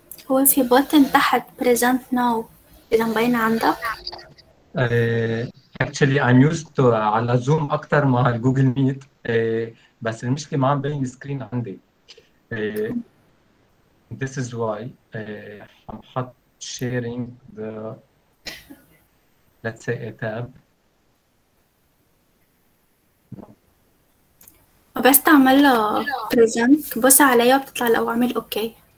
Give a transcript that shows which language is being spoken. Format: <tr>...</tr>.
<ar>هو في بوتن تحت present now إذا مبين عندك.</ar> <en>Actually, I'm used to</en> <ar>على زوم أكتر مع جوجل ميت. بس المشكلة ما عم بين السكرين عندي.</ar> <en>This is why I'm not sharing the, let's say, a tab.</en> <ar>بس تعمل له present بص عليا بتطلع لو عمل اوكي.</ar>